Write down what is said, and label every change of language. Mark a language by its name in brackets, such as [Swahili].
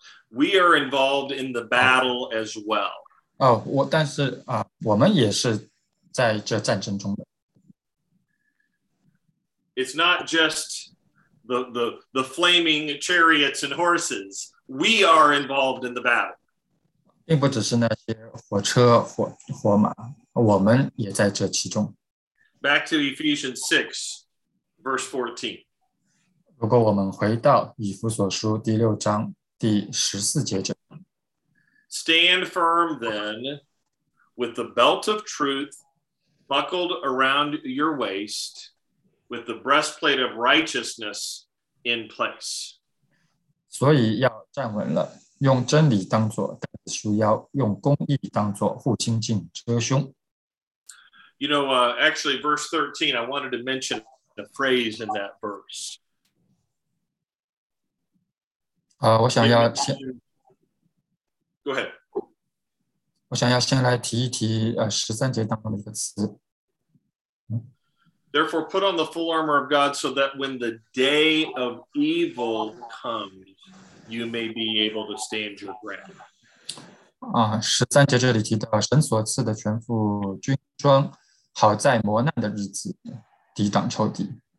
[English] We are involved in the battle as well. [Chinese] 我们也是在这战争中的。 [English] It's not just the flaming chariots and horses. We are involved in the battle. [Chinese] 并不只是那些火车 火马，我们也在这其中。 [English] Back to Ephesians 6, verse 14. [Chinese] 如果我们回到以弗所书第六章第十四节这。 [English] Stand firm then with the belt of truth buckled around your waist with the breastplate of righteousness in place. [Chinese] 所以要站稳了，用真理当作带子束腰，用公义当作护心镜遮胸。 [English] You know, actually, verse 13, I wanted to mention the phrase in that verse. [Chinese] 我想要先 [English] Go ahead. [Chinese] 我想要先来提一提十三节当中的一个词。 [English] Therefore, put on the full armor of God so that when the day of evil comes, you may be able to stand your ground. [Chinese] 十三节这里提到神所赐的全副军装。好在磨难的日子抵挡仇敌。